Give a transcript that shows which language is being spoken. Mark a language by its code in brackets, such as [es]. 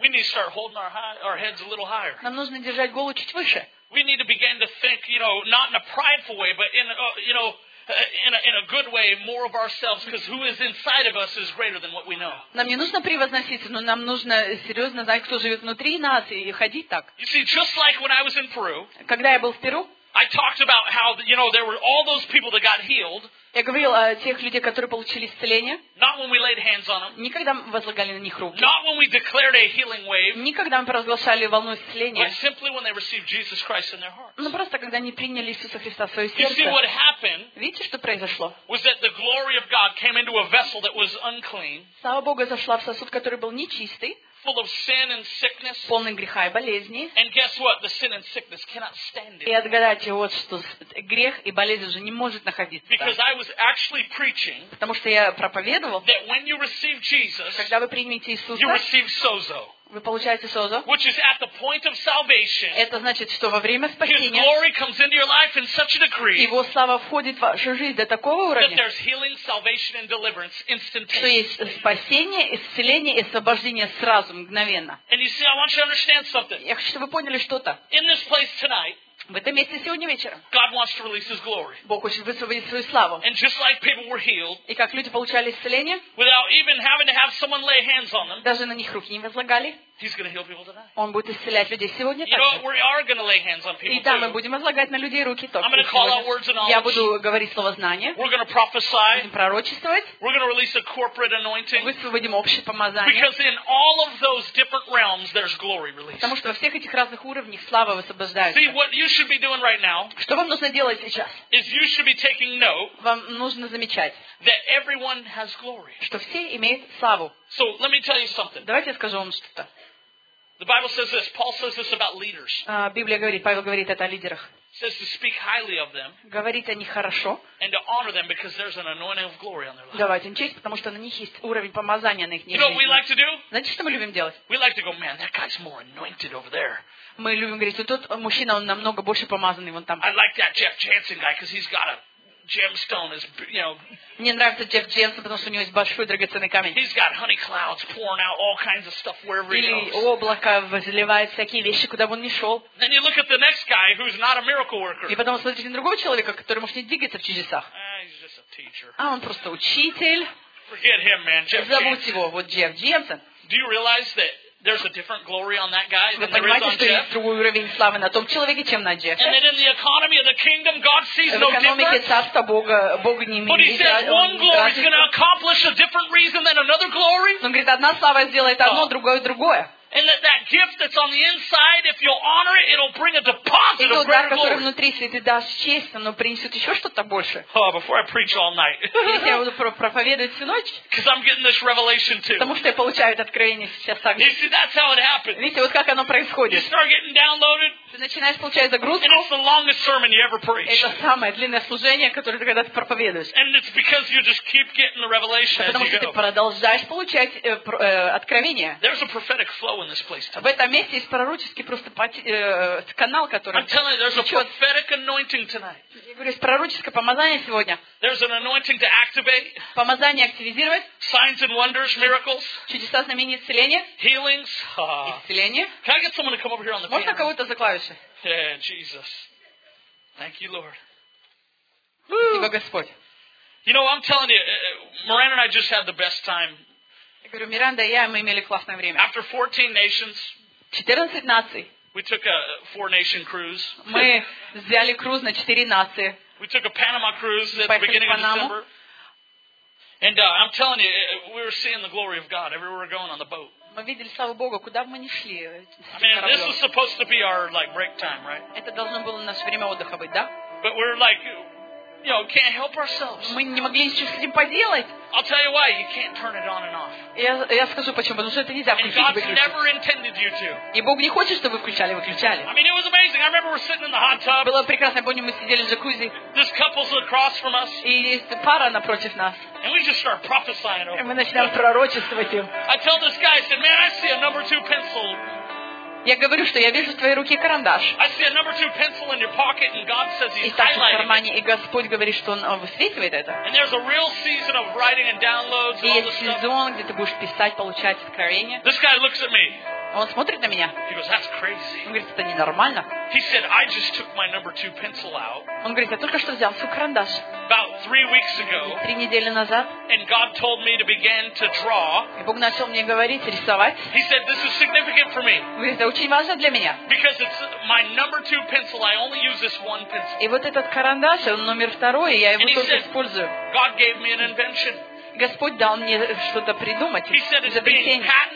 [ru] Нам нужно держать голову чуть выше. [en] We need to begin to think, you know, not in a prideful way, but in, you know, In a good way, more of ourselves, because who is inside of us is greater than what we know. [ru] Нам не нужно превозноситься, но нам нужно серьезно знать, кто живет внутри нас и ходить так. [en] You see, just like when I was in Peru. [ru] Когда я был в Перу. [en] I talked about how, you know, there were all those people that got healed. [ru] Я говорил о тех людях, которые получили исцеление. [en] Not when we laid hands on them. [ru] Никогда мы возлагали на них руки. [en] Not when we declared a healing wave. [ru] Никогда мы провозглашали волну исцеления. [en] But simply when they received Jesus Christ in their hearts. [ru] Но просто когда они приняли Иисуса Христа в свое сердце. [en] You see what happened? [ru] Видите, что произошло? [en] Was that the glory of God came into a vessel that was unclean? [ru] Слава Богу, зашла в сосуд, который был нечистый. [en] Full of sin and sickness. [ru] Полный греха и болезни. [en] And guess what? The sin and sickness cannot stand it. [ru] И отгадайте вот что: грех и болезнь уже не может находиться. [en] Because I was actually preaching. [ru] Потому что я проповедовал. [en] That when you receive Jesus. [ru] Когда вы примете Иисуса. [en] You receive sozo. [ru] Вы получаете созо. [en] Which is at the point of salvation. [ru] Это значит, что во время спасения. [en] His glory comes into your life in such a degree. [ru] Его слава входит в вашу жизнь до такого уровня. [en] That there's healing, salvation, and deliverance instantaneously. [ru] Что есть спасение, исцеление и освобождение сразу, мгновенно. [en] And you see, I want you to understand something. [ru] Я хочу, чтобы вы поняли что-то. [en] In this place tonight. [ru] В этом месте сегодня вечером. [en] God wants to release His glory. [ru] Бог хочет высвободить свою славу. [en] And just like people were healed, [ru] и как люди получали исцеление, [en] without even having to have someone lay hands on them, [ru] даже на них руки не возлагали, [en] He's going to heal people tonight. [ru] Он будет исцелять людей сегодня. [en] You know, we are going to lay hands on people. [ru] И да, мы будем возлагать на людей руки тоже. [en] I'm going to call out words of knowledge. [ru] Я буду говорить слово знания. [en] We're going to prophesy. [ru] Будем пророчествовать. [en] We're going to release a corporate anointing. [ru] Высвободим общее помазание. [en] Because in all of those different realms, there's glory released. [ru] Потому что во всех этих разных уровнях слава высвобождается. [en] See, what you should be doing right now. [ru] Что вам нужно делать сейчас? [en] Is you should be taking note. [ru] Вам нужно замечать. [en] That everyone has glory. [ru] Что все имеют славу. [en] So let me tell you something. [ru] Давайте я скажу вам что-то. [en] The Bible says this. Paul says this about leaders. [ru] Библия говорит, Павел говорит это о лидерах. [en] Says to speak highly of them. [ru] Говорить о них хорошо. [en] And to honor them because there's an anointing of glory on their lives. [ru] Давать им честь, потому что на них есть уровень помазания на их жизни. [en] You know what we like to do? [ru] Знаете, что мы любим делать? [en] We like to go, man, that guy's more anointed over there. [ru] Мы любим говорить, вот тот мужчина, он намного больше помазанный вон там. [en] I like that Jeff Jansen guy because he's got a gemstone, is you know. [ru] Мне нравится Джефф Дженсен, потому что у него есть большой драгоценный камень. [en] He's got honey clouds pouring out all kinds of stuff wherever he goes. [ru] Или облако возливает всякие вещи, куда бы он ни шел. [en] Then you look at the next guy who's not a miracle worker. [ru] И потом смотрите на другого человека, который может не двигаться в чудесах. [en] He's just a teacher. [ru] А он просто учитель. [en] Forget him, man. Jeff Jansen. [ru] Забудь его, вот Джефф Дженсен. [en] Do you realize that there's a different glory on that guy than there is on Jeff? [ru] Вы понимаете, что есть другой уровень славы на том человеке, чем на Джеффе? [en] And that in the economy of the kingdom, God sees no difference. [ru] В экономике царства Бога, Бог не имеет. [en] But he says one glory is going to accomplish a different reason than another glory. [ru] Он говорит, одна слава сделает одно, другое другое. [en] And that gift that's on the inside, if you'll honor it, it'll bring a deposit of greater glory. [ru] И тот дар, который внутри, если ты дашь честь, оно принесет еще что-то больше. [en] Oh, before I preach all night. [ru] Я буду проповедовать всю ночь. [en] Because I'm getting this revelation too. [ru] Потому что я получаю это откровение сейчас также. [en] You see, that's how it happens. [ru] Видите, вот как оно происходит. [en] You start getting downloaded. [ru] Ты начинаешь получать загрузку. [en] And it's the longest sermon you ever preach. [ru] Это самое длинное служение, которое ты когда-то проповедуешь. [en] And it's because you just keep getting the revelation. [ru] Потому что ты продолжаешь получать откровение. [en] There's a prophetic flow. flow in this place tonight. [ru] В этом месте есть пророческий просто канал, который. [en] I'm telling you, there's a prophetic anointing tonight. [ru] Я говорю, есть пророческое помазание сегодня. [en] There's an anointing to activate. [ru] Помазание активизировать. [en] Signs and wonders, miracles. [ru] Чудеса, знамения, исцеления. [en] Healings. [ru] Исцеления. [en] Can I get someone to come over here on the [ru] Можно кого-то за клавиши? [en] Yeah, Jesus. Thank you, Lord. [ru] Спасибо, Господь. [en] You know, I'm telling you, Miranda and I just had the best time. [ru] Я говорю, Миранда и я, мы имели классное время. [en] After 14 nations. [ru] 14 наций. [en] We took a four-nation cruise. [ru] Мы взяли круиз на 4 нации. [en] We took a Panama cruise at the beginning of December. And I'm telling you, we were seeing the glory of God everywhere we're going on the boat. [ru] Мы видели славу Бога, куда бы мы ни шли. [en] This was supposed to be our like break time, right? [ru] Это должно было наше время отдыха быть, да? [en] But we're like, you know, can't help ourselves. [ru] Мы не могли ничего с этим поделать. [en] I'll tell you why. You can't turn it on and off. [ru] Я скажу почему, потому что это нельзя включить и выключить. [en] And God never intended you to. [ru] И Бог не хочет, чтобы вы включали и выключали. [en] I mean, it was amazing. I remember we're sitting in the hot tub. [ru] Было прекрасно, помню, мы сидели в джакузи. [en] This couple's across from us. [ru] И есть пара напротив нас. [en] And we just start prophesying over. [ru] И мы начинаем пророчествовать им. [en] I tell this guy, I said, man, I see a number two pencil. [ru] Я говорю, что я вижу в твоей руке карандаш. [en] I see a number two pencil in your pocket, and God says he's highlighting. [ru] И так в кармане, и Господь говорит, что он высвечивает это. [en] And there's a real season of writing and downloads. [ru] И есть сезон, где ты будешь писать, получать откровения. [en] This guy looks at me. [ru] Он смотрит на меня. [en] He goes, that's crazy. [ru] Он говорит, это ненормально. [en] He said, I just took my number two pencil out. [ru] Он говорит, я только что взял свой карандаш. [en] About 3 weeks ago. [ru] Три недели назад. [en] And God told me to begin to draw. [ru] И Бог начал мне говорить рисовать. [en] He said, this is significant for me. [ru] Он говорит, это очень важно для меня. [en] Because it's my number two pencil. I only use this one pencil. [ru] И вот этот карандаш, он номер второй, я его [en] And [ru] только [en] he said, [ru] использую. [en] God gave me an invention. [ru] Господь дал мне что-то придумать, изобретение.